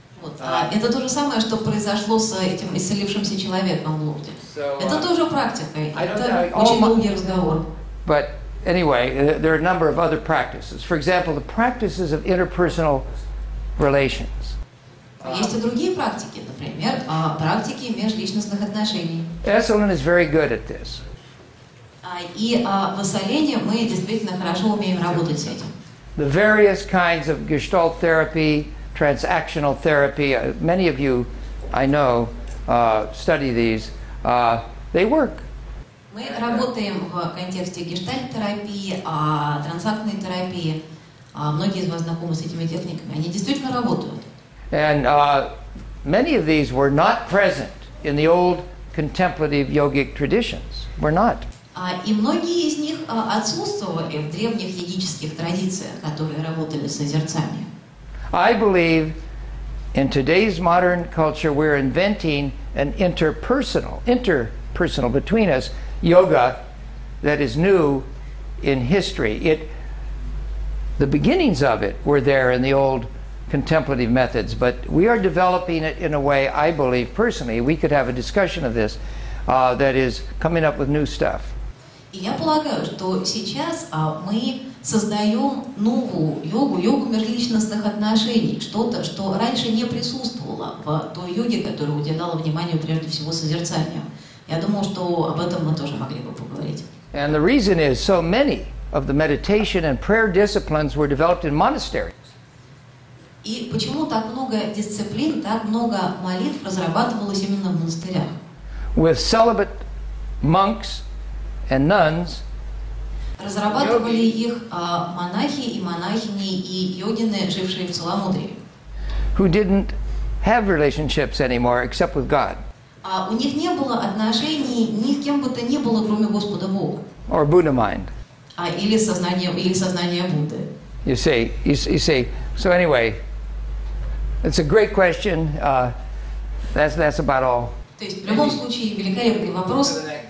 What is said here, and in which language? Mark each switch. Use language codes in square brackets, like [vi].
[ru] Это то же самое, что произошло с этим исцелившимся человеком в Лурде. Это тоже практика. Это очень долгий разговор. [en] But anyway, there are a number of other practices. For example, the practices of interpersonal relations. [ru] Есть и другие практики, например, практики межличностных отношений. [en] Esalen is very good at this. [ru] И в Эссалене мы действительно хорошо умеем работать с этим. [en] The various kinds of gestalt therapy, transactional therapy, many of you, I know, study these, they work. [ru] Мы работаем в контексте гештальт-терапии, трансактной терапии. Многие из вас знакомы с этими техниками. Они действительно работают. [en] And many of these were not present in the old contemplative yogic traditions. Were not. [ru] И многие из них отсутствовали в древних йогических традициях, которые работали с созерцанием. [en] I believe in today's modern culture we're inventing an interpersonal between us yoga that is new in history. The beginnings of it were there in the old contemplative methods, but we are developing it in a way, I believe personally, we could have a discussion of this, that is coming up with new stuff. [ru] И я полагаю, что сейчас мы создаем новую йогу, йогу межличностных отношений, что-то, что раньше не присутствовало в той йоге, которая уделяла внимание прежде всего созерцанию. Я думаю, что об этом мы тоже могли бы поговорить. [en] And the reason is so many of the meditation and prayer disciplines were developed in monasteries. [ru] И почему так много дисциплин, так много молитв разрабатывалось именно в монастырях? [en] With celibate monks and nuns, [ru] разрабатывали их монахи и монахини и йогины, жившие в целомудрии, [en] who didn't have relationships anymore except with God. [ru] У них не было отношений ни с кем бы то ни было, кроме Господа Бога. [en] Or Buddha mind. [ru] Или сознание Будды. [en] You see. So anyway, it's a great question. That's about all. [ru] То есть в любом случае великолепный вопрос.